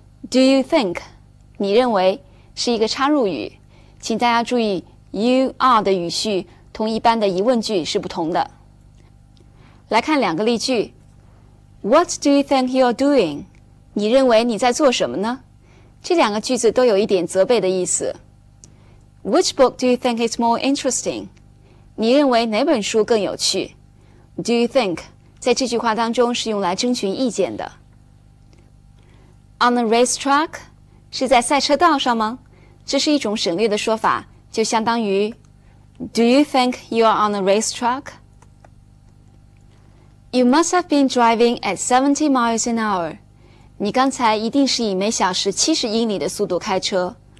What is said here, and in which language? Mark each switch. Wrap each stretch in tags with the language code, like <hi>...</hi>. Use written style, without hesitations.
<en>Do you think?</en> <zh>你认为是一个插入语。请大家注意 you are 的语序同一般的疑问句是不同的。来看两个例句。</zh> <en>What do you think you're doing?</en> <zh>你认为你在做什么呢? 这两个句子都有一点责备的意思。</zh> <en>Which book do you think is more interesting?</en> <zh>你认为哪本书更有趣?</zh> <en>Do you think?</en> <zh>在这句话当中是用来征询意见的。</zh> <en>On a racetrack</en> <zh>是在赛车道上吗？这是一种省略的说法，就相当于</zh> <en>Do you think you are on a racetrack? You must have been driving at 70 miles an hour.</en> <zh>你刚才一定是以每小时70英里的速度开车。</zh>